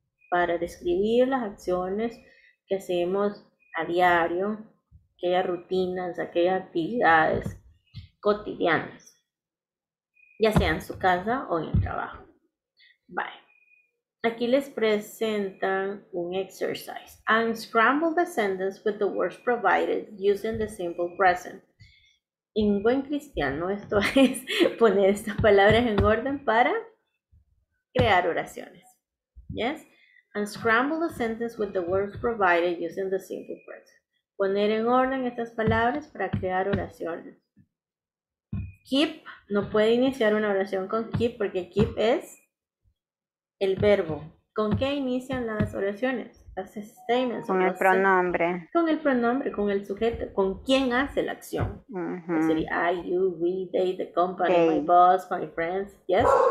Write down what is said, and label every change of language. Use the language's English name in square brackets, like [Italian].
[Spanish] Para describir las acciones que hacemos a diario, aquellas rutinas, aquellas actividades cotidianas, ya sea en su casa o en el trabajo. Bye. Aquí les presentan un exercise. [English] Unscramble the sentence with the words provided using the simple present. [Spanish] En buen cristiano, esto es poner estas palabras en orden para crear oraciones. [English] Yes? Unscramble the sentence with the words provided using the simple present. [Spanish] Poner en orden estas palabras para crear oraciones. Keep, no puede iniciar una oración con keep porque keep es el verbo. ¿Con qué inician las oraciones? Las statements. Con el pronombre. Con el pronombre, con el sujeto, con quién hace la acción. Sería [English] I, you, we, they, the company, okay. My boss, my friends, yes.